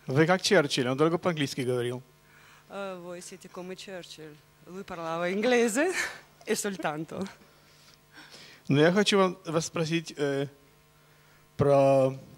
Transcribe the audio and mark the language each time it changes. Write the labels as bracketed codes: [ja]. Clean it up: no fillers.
[ru] Вы как Черчилль, он только по-английски говорил. [it] Voi siete come Churchill. Lui parlava inglese e soltanto. [ru] Но я хочу вас спросить про...